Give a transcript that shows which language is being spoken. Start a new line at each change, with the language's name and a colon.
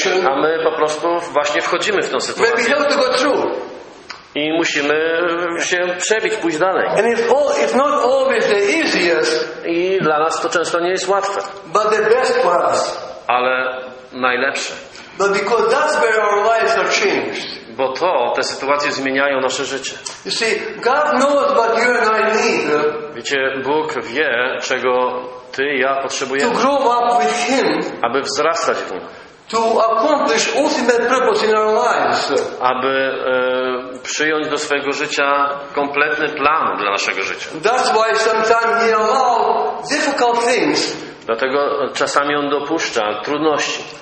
Polish: A my po prostu właśnie wchodzimy w tę sytuację. I musimy się przebić, pójść dalej.
English: And it's not always the easiest,
Polish: i dla nas to często nie jest łatwe.
English: But the best for us.
Polish: Ale najlepsze.
English: But because that's where our lives are changed.
Polish: Bo to, te sytuacje zmieniają nasze życie.
English: You see, God knows what you and I need.
Polish: Wiecie, Bóg wie, czego ty i ja potrzebujemy.
English: To grow up with him,
Polish: aby wzrastać w nim.
English: To accomplish ultimate purpose in our lives.
Polish: Aby przyjąć do swojego życia kompletny plan dla naszego życia.
English: That's why sometimes he allows difficult things.
Polish: Dlatego czasami on dopuszcza trudności.